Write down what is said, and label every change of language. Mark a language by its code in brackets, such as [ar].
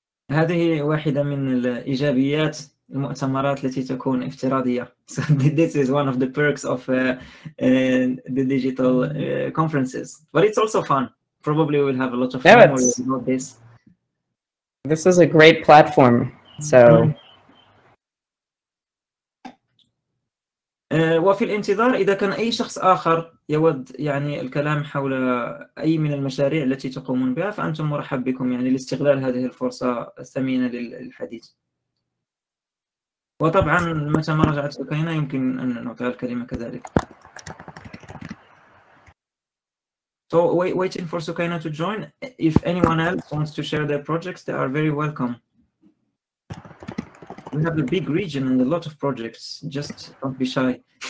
[ar] هذه واحدة من الإيجابيات المؤتمرات التي تكون افتراضية. [en] So this is one of the perks of the digital conferences. But it's also fun. Probably we'll have a lot of fun about this. This is a great platform, so. [ar] وفي الانتظار إذا كان أي شخص آخر يود يعني الكلام حول أي من المشاريع التي تقومون بها فأنتم مرحب بكم يعني لاستغلال هذه الفرصة الثمينة للحديث. وطبعا متى ما رجعت سكينة يمكن أن نعطيها الكلمة كذلك. [en] So waiting for Sukaina to join. If anyone else wants to share their projects, they are very welcome. We have a big region and a lot of projects. Just don't be shy.